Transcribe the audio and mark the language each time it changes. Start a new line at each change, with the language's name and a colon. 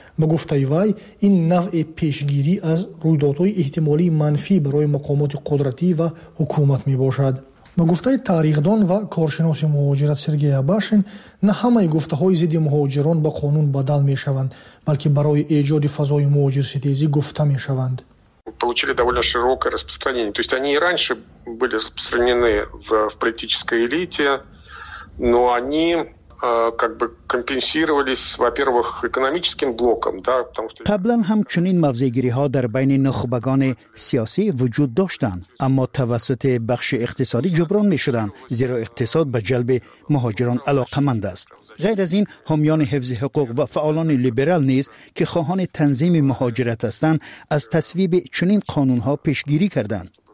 Persian: با گفته وی، این نوع پیشگیری از رویدادهای احتمالی منفی برای مقامات قدرتی و حکومت میباشد. با گفته تاریخ‌دان و کارشناس مهاجرت سرگئی آباشین، نه همه گفته های ضد مهاجران به قانون بدل می شوند، بلکه برای ایجاد فضای مهاجر ستیزی گفته می شوند.
Russian: получили довольно широкое распространение. То есть они и раньше были распространены в политической элите, но они как бы компенсировались, во-первых, экономическим блоком, да, потому что
Persian: قبلاً همچنین موضع‌گیری‌ها در بین نخبگان سیاسی وجود داشتند، اما توسط بخش اقتصادی جبران می‌شدند، زیرا اقتصاد به جلب مهاجران علاقمند است. غیر از این، حامیان حفظ حقوق و فعالان لیبرال نیز که خواهان تنظیم مهاجرت هستند، از تصویب چنین قانون‌ها پیشگیری کردند.